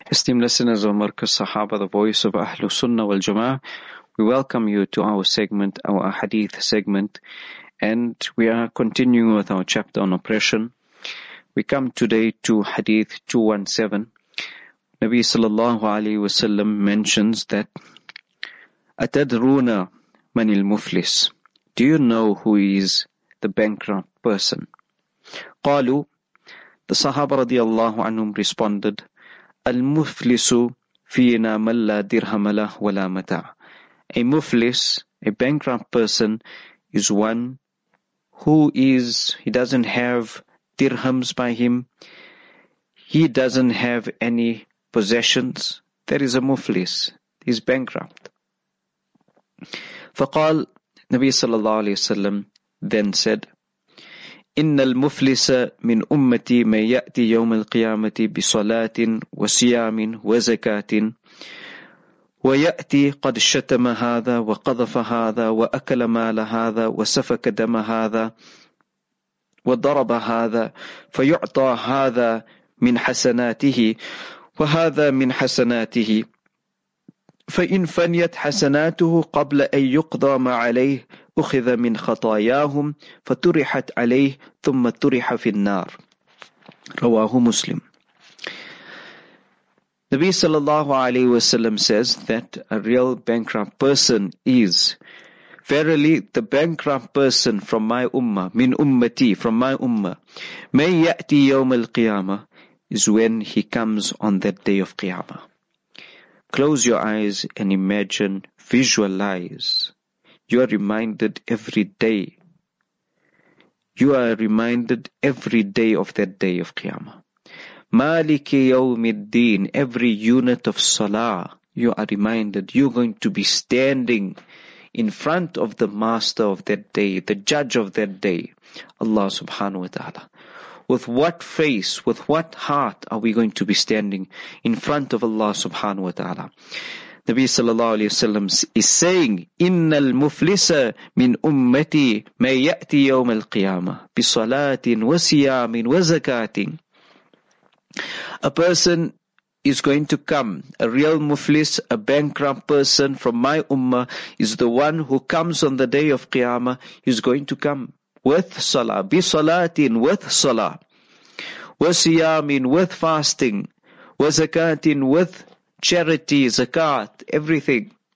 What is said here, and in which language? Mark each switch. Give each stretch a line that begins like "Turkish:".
English: Esteemed listeners of Marcus Sahaba, the voice of Ahl Sunnah wal Jamaah, we welcome you to our segment, our hadith segment, and we are continuing with our chapter on oppression. We come today to hadith 217. Nabi sallallahu alayhi wa sallam mentions that,
Arabic: أَتَدْرُونَ مَنِ الْمُفْلِسِ.
English: Do you know who is the bankrupt person?
Arabic: قَالُوا.
English: The Sahaba radiallahu anhum responded,
Arabic: الْمُفْلِسُ فِيْنَا مَلَّا دِرْهَمَ لَهُ وَلَا مَتَعَ.
English: A muflis, a bankrupt person, is one who is, he doesn't have dirhams by him. He doesn't have any possessions. That is a muflis. He's bankrupt.
Arabic: فقال نبي صلى الله عليه وسلم
English: then said,
Arabic: إن المفلس من أمتي ما يأتي يوم القيامة بصلاة وصيام وزكاة ويأتي قد شتم هذا وقذف هذا وأكل مال هذا وسفك دم هذا وضرب هذا فيعطى هذا من حسناته وهذا من حسناته فإن فنيت حسناته قبل أن يقضى ما عليه أخذ من خطاياهم فطرحت عليه ثم طرح في النار رواه مسلم.
English: Nabi sallallahu alayhi wa sallam says that a real bankrupt person is, verily the bankrupt person from my ummah, min ummati, from my ummah,
Arabic: may ya'ti yawm al-qiyamah,
English: is when he comes on that day of qiyamah. Close your eyes and imagine, visualize. You are reminded every day. You are reminded every day of that day of qiyamah. Maliki yawm al-deen, every unit of salah, you are reminded, you're going to be standing in front of the master of that day, the judge of that day, Allah subhanahu wa ta'ala. With what face, with what heart are we going to be standing in front of Allah subhanahu wa ta'ala? Nabi sallallahu alayhi wa sallam is saying,
Arabic: إِنَّ الْمُفْلِسَ مِنْ أُمَّتِي مَا يَأْتِي يَوْمَ الْقِيَامَةِ بِصَلَاةٍ وَسِيَامٍ وَزَكَاتٍ.
English: A person is going to come, a real muflis, a bankrupt person from my ummah, is the one who comes on the day of qiyamah, is going to come with salah, bi salatin, with salah, wa siyamin, with fasting, wa zakatin, with charity, zakat, everything.